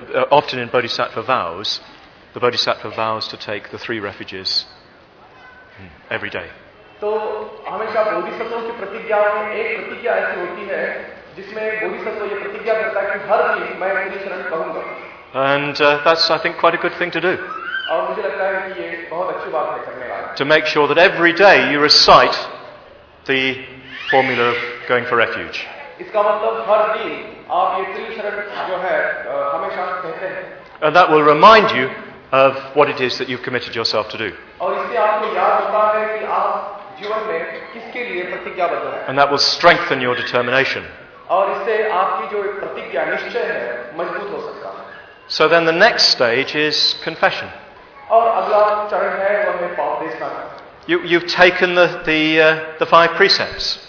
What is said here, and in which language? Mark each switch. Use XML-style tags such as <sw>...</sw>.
<en>Often in bodhisattva vows, the bodhisattva vows to take the three refuges every day.</en> <hi>तो हमेशा बोधिसत्वों की प्रतिज्ञा में एक प्रतिज्ञा ऐसी होती है जिसमें बोधिसत्व यह प्रतिज्ञा करता है कि हर दिन मैं मेरी शरण कहूंगा</hi> <en>and that's I think quite a good thing to do</en> <hi>और मुझे लगता है कि यह बहुत अच्छी बात है करने वाला</hi> <en>to make sure that every day you recite the formula of going for refuge</en> <hi>इसका मतलब हर दिन आप ये तीन शरण जो है हमेशा कहते हैं.</hi> <en>And that will remind you of what it is that you've committed yourself to do.</en> <hi>और इससे आपको याद होता है कि आप जीवन में किसके लिए प्रतिज्ञाबद्ध हैं.</hi> <en>And that will strengthen your determination.</en> <hi>और इससे आपकी जो प्रतिज्ञा निश्चय है मजबूत हो सकता है.</hi> <en>So then the next stage is confession.</en> <hi>और अगला चरण है वह है पाप देखना.</hi> <en>You've taken the five precepts.</en>